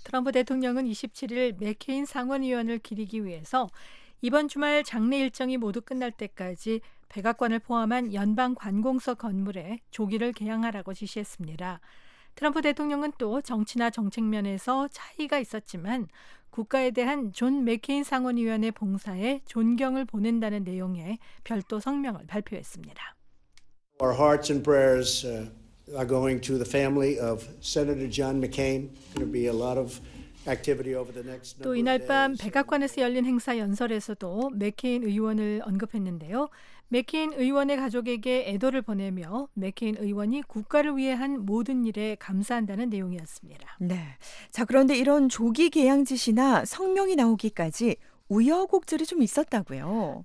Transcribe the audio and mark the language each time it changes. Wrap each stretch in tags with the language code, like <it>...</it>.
<ko>트럼프 대통령은 27일 맥케인 상원의원을 기리기 위해서 이번 주말 장례 일정이 모두 끝날 때까지 백악관을 포함한 연방 관공서 건물에 조기를 개항하라고 지시했습니다. 트럼프 대통령은 또 정치나 정책 면에서 차이가 있었지만 국가에 대한 존 맥케인 상원의원의 봉사에 존경을 보낸다는 내용의 별도 성명을 발표했습니다.</ko> <en>Our hearts and prayers are going to the family of Senator John McCain. There'll be a lot of activity over the next.</en> <ko>또 이날 밤 백악관에서 열린 행사 연설에서도 맥케인 의원을 언급했는데요. 맥케인 의원의 가족에게 애도를 보내며 맥케인 의원이 국가를 위해 한 모든 일에 감사한다는 내용이었습니다. 네. 자, 그런데 이런 조기 개항 지시나 성명이 나오기까지 우여곡절이 좀 있었다고요.</ko>